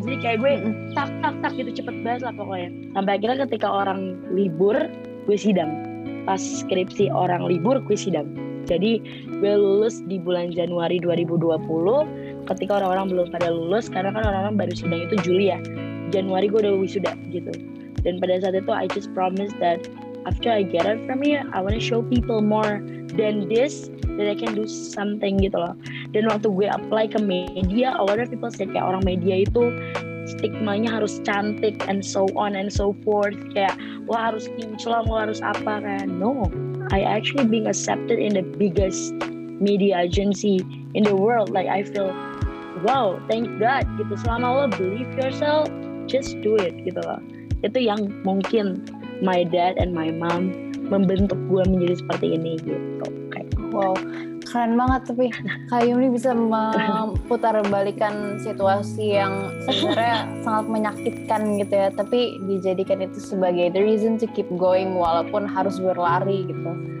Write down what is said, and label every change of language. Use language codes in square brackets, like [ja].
[id] Jadi kayak gue tak gitu, cepet banget lah pokoknya. Sampai akhirnya ketika orang libur, gue sidang. Pas skripsi orang libur, gue sidang. Jadi gue lulus di bulan Januari 2020, ketika orang-orang belum pada lulus, karena kan orang-orang baru sidang itu Juli ya. Januari gue udah wisuda gitu. [en] Dan pada saat itu I just promise that after I get out from here, I wanna show people more than this, that I can do something gitu loh. [id] Dan waktu gue apply ke media, a lot of people say kayak orang media itu stigmanya harus cantik and so on and so forth, kayak lo harus kinclong, lo harus apa, kan? [en] No, I actually being accepted in the biggest media agency in the world, like I feel wow, thank God gitu. Selama lo believe yourself, just do it gitu loh. [id] Itu yang mungkin my dad and my mom membentuk gue menjadi seperti ini gitu. Wow, keren banget. Tapi Kak Yumi bisa memutarbalikkan situasi yang sebenarnya sangat menyakitkan gitu ya, tapi dijadikan itu sebagai the reason to keep going walaupun harus berlari gitu.